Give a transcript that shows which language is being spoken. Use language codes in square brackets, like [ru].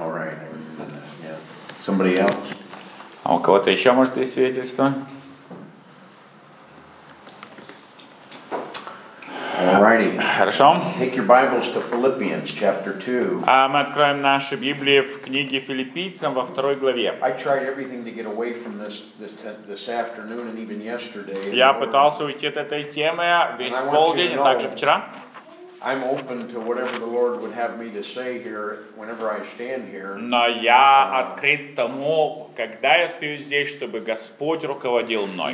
[en] All right. Yeah. Somebody else. [ru] А у кого-то еще может есть свидетельство? [en] Alrighty. [ru] Хорошо. [en] Take your Bibles to Philippians chapter 2. [ru] Мы откроем наши Библии в книге Филиппийцам во второй главе. [en] I tried everything to get away from this afternoon and even yesterday. [ru] Я пытался уйти от этой темы весь полдень, а также вчера. [en] I'm open to whatever the Lord would have me to say here whenever I stand here. [ru] Но я открыт тому, когда я стою здесь, чтобы Господь руководил мной.